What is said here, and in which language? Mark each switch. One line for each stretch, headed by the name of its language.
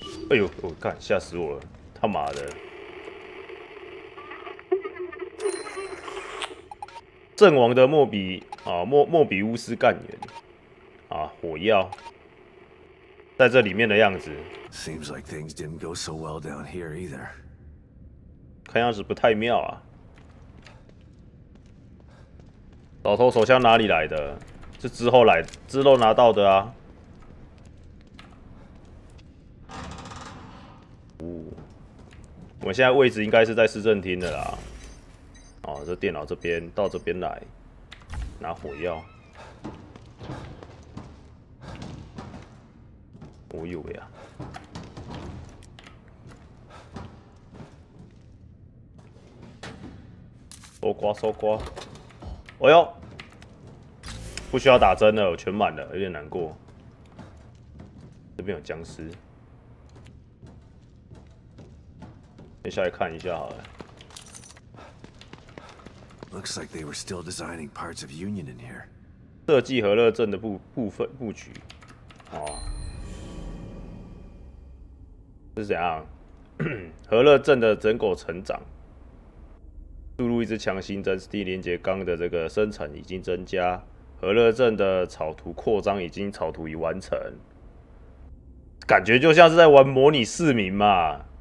Chinese: 哎呦，我靠，吓死我了！他妈的，阵亡的莫比啊，莫比乌斯干员啊，火药在这里面的样子。
English: Seems like things didn't go so well down here either.
Chinese: 看样子不太妙啊！老头手枪哪里来的？是之后来，之后拿到的啊。我们现在位置应该是在市政厅的啦。哦，这电脑这边到这边来，拿火药。我以为啊。搜刮搜刮，哎呦，不需要打针了，我全满了，有点难过。这边有僵尸，先下来看一下好了。
English: Looks like they were still designing parts of Union in here.
Chinese: 设计和乐镇的部分布局，哦，是怎样？和乐镇的人口成长。注入一支强心针，地连接钢的这个生产已经增加，和乐镇的草图扩张已经草图已完成，感觉就像是在玩模拟市民嘛。